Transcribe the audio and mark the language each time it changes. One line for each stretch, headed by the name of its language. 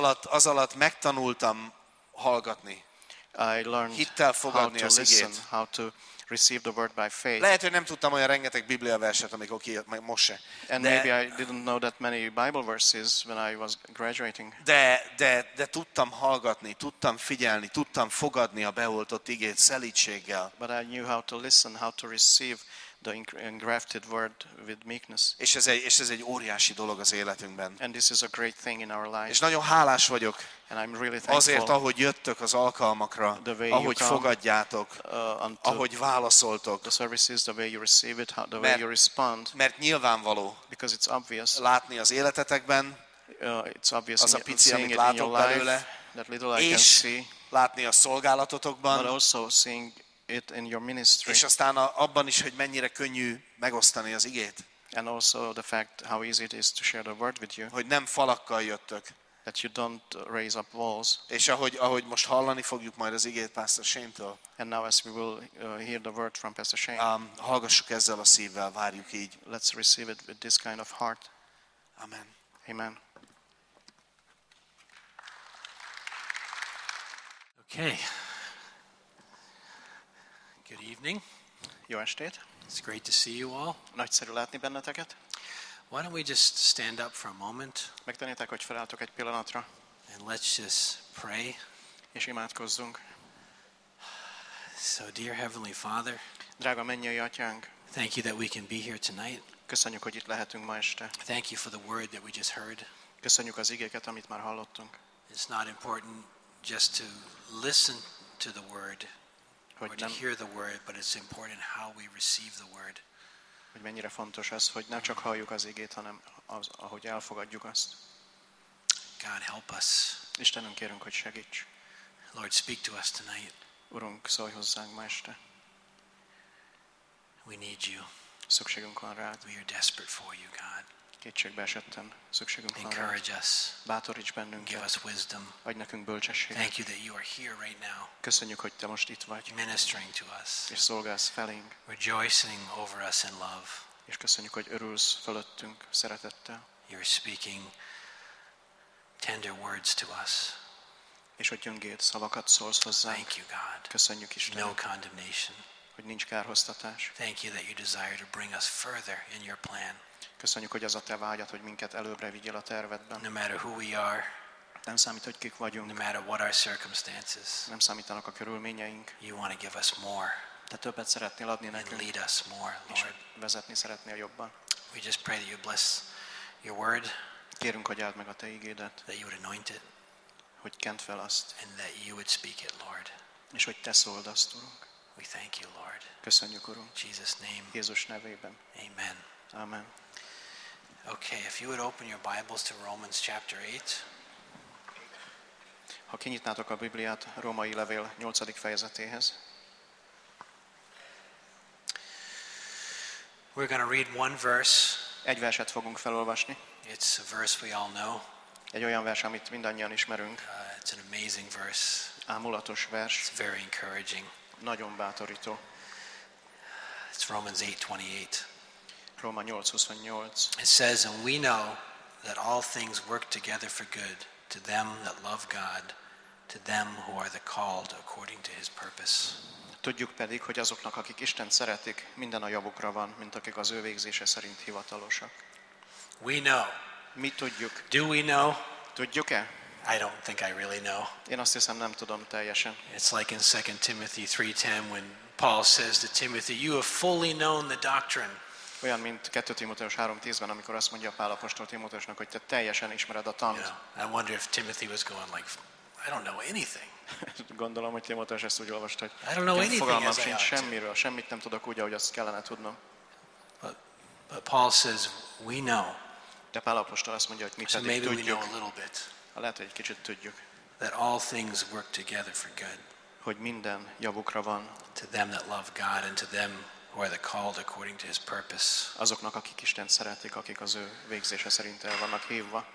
Hungarian: Az alatt megtanultam hallgatni.
English: I learned
Hungarian: hittel fogadni
English: how to
Hungarian: az
English: listen,
Hungarian: igét.
English: How to received the word by faith.
Hungarian: Lehet, hogy nem tudtam olyan rengeteg Biblia verset, amikor kijött, most se.
English: And maybe I didn't know that many Bible verses when I was graduating.
Hungarian: De tudtam hallgatni, tudtam figyelni, tudtam fogadni a beoltott igét szelídséggel.
English: But I knew how to listen, how to receive the engrafted word with meekness.
Hungarian: És ez egy óriási dolog az életünkben.
English: And this is a great thing in our lives.
Hungarian: És nagyon hálás vagyok.
English: And I'm really thankful.
Hungarian: Azért, ahogy jöttök az alkalmakra, ahogy fogadjátok, ahogy válaszoltok.
English: The services, the way you receive it, the way you respond.
Hungarian: Mert nyilvánvaló.
English: Because it's obvious.
Hungarian: Látni az életetekben.
English: It's obvious.
Hungarian: Az a pici, amit látok belőle.
English: That little I can see.
Hungarian: Látni a szolgálatotokban.
English: But also seeing it in your ministry.
Hungarian: És aztán abban is, hogy mennyire könnyű megosztani az igét.
English: And also the fact how easy it is to share the word with you.
Hungarian: Hogy nem falakkal jöttök.
English: That you don't raise up walls.
Hungarian: És ahogy most hallani fogjuk majd az igét Pastor Shane-től.
English: And now as we will hear the word from Pastor Shane.
Hungarian: Hallgassuk ezzel a szívvel, várjuk így.
English: Let's receive it with this kind of heart.
Hungarian: Amen.
English: Amen. Okay. Good evening.
Hungarian: Jó estét.
English: It's great to see you all.
Hungarian: Nagyszerű látni benneteket.
English: Why don't we just stand up for a moment?
Hungarian: Megtennétek, hogy felálltok egy pillanatra.
English: And let's just pray.
Hungarian: És imádkozzunk.
English: So dear Heavenly Father.
Hungarian: Drága mennyei atyánk.
English: Thank you that we can be here tonight.
Hungarian: Köszönjük, hogy itt lehetünk ma este.
English: Thank you for the word that we just heard.
Hungarian: Köszönjük az igéket, amit már hallottunk.
English: It's not important just to listen to the word
Hungarian: hogy
English: or to hear the word, but it's important how we receive the word.
Hungarian: Hogy mennyire fontos ez, hogy nem csak halljuk az igét, hanem az, ahogy elfogadjuk azt.
English: God help us.
Hungarian: Istenünk, kérünk, hogy segíts.
English: Lord, speak to us tonight.
Hungarian: Urunk, szólj hozzánk ma este.
English: We need you.
Hungarian: Szükségünk van rád.
English: We are desperate for you, God.
Hungarian: Kétségbe esettem. Szükségünk van rád.
English: Encourage us.
Hungarian: Bátoríts bennünket.
English: Give us wisdom.
Hungarian: Adj nekünk bölcsességet.
English: Thank you that you are here right now.
Hungarian: Köszönjük, hogy te most itt vagy.
English: Ministering to us.
Hungarian: És szolgálsz felénk.
English: Rejoicing over us in love.
Hungarian: És köszönjük, hogy örülsz fölöttünk szeretettel.
English: You're speaking tender words to us.
Hungarian: És hogy gyöngéd szavakat szólsz hozzánk.
English: Thank you, God.
Hungarian: Köszönjük, Istenünk.
English: No condemnation.
Hungarian: Hogy nincs kárhoztatás.
English: Thank you that you desire to bring us further in your plan.
Hungarian: Köszönjük, hogy az a te vágyad, hogy minket előbbre vigyél a tervedben.
English: No matter who we are,
Hungarian: nem számít, hogy kik vagyunk.
English: No matter what our circumstances,
Hungarian: nem számítanak a körülményeink.
English: You want to give us more.
Hungarian: Te többet szeretnél adni nekünk.
English: And lead us more, Lord.
Hungarian: Vezetni szeretnél jobban.
English: We just pray that you bless your word.
Hungarian: Kérünk, hogy áld meg a te igédet.
English: That you would anoint it.
Hungarian: Hogy kent fel azt.
English: And that you would speak it, Lord.
Hungarian: És hogy te szóld azt, Urunk.
English: We thank you, Lord.
Hungarian: Köszönjük, Urunk.
English: Jesus name.
Hungarian: Jézus nevében.
English: Amen.
Hungarian: Amen.
English: Okay, if you would open your Bibles to Romans chapter 8.
Hungarian: Ha kinyitnátok a Bibliát Római Levél 8. fejezetéhez.
English: We're going to read one verse.
Hungarian: Egy verset fogunk felolvasni.
English: It's a verse we all know.
Hungarian: Egy olyan vers, amit mindannyian ismerünk.
English: It's an amazing verse.
Hungarian: Ámulatos vers.
English: It's very encouraging.
Hungarian: Nagyon bátorító.
English: It's Romans 8:28.
Hungarian: Róma 8:28.
English: It says, and we know that all things work together for good to them that love God, to them who are the called according to his purpose.
Hungarian: Tudjuk pedig, hogy azoknak, akik Istent szeretik, minden a javukra van, mint akik az ő végzése szerint hivatalosak.
English: We know.
Hungarian: Mi tudjuk.
English: Do we know?
Hungarian: Tudjuk-e?
English: I don't think I really know.
Hungarian: Én azt hiszem, nem tudom teljesen.
English: It's like in 2 Timothy 3:10 when Paul says to Timothy, you have fully known the doctrine.
Hungarian: Olyan, mint 2 Timóteus 3:10-ben, amikor azt mondja Pál apostol Timóteusnak, hogy te teljesen ismered a tant.
English: I wonder if Timothy was going like, I don't know anything.
Hungarian: Gondolom, hogy Timóteus ezt úgy olvasta, hogy
English: I don't know anything
Hungarian: fogalmam sincs semmiről, semmit nem tudok úgy, ahogy azt kellene tudnom.
English: But Paul says, we know.
Hungarian: De Pál apostol azt mondja, hogy mi pedig tudjuk.
English: So maybe we know a little bit.
Hungarian: Lehet, hogy egy kicsit tudjuk.
English: That all things work together for good.
Hungarian: Hogy minden javukra van.
English: To them that love God and to them who are the called according to his purpose.
Hungarian: Azoknak, akik Istent szeretik, akik az ő végzése szerint el vannak hívva.